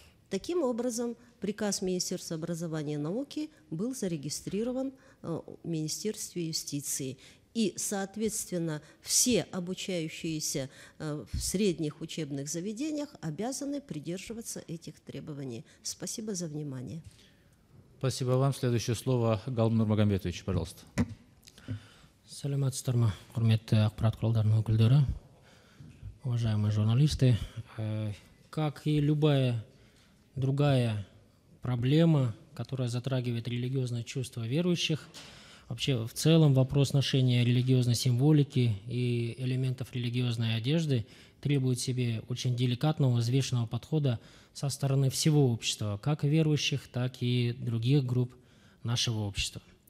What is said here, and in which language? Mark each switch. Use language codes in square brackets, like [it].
[ru] Таким образом, приказ Министерства образования и науки был зарегистрирован в Министерстве юстиции. И, соответственно, все обучающиеся в средних учебных заведениях обязаны придерживаться этих требований. Спасибо за внимание. Спасибо вам. Следующее слово Галым Нурмагомедович, пожалуйста. [kk] Саламатсыздар ма, құрметті ақпарат құралдарының өкілдері, [ru] уважаемые журналисты. Как и любая другая проблема, которая затрагивает религиозное чувство верующих, вообще в целом вопрос ношения религиозной символики и элементов религиозной одежды требует себе очень деликатного, взвешенного подхода со стороны всего общества, как верующих, так и других групп нашего общества.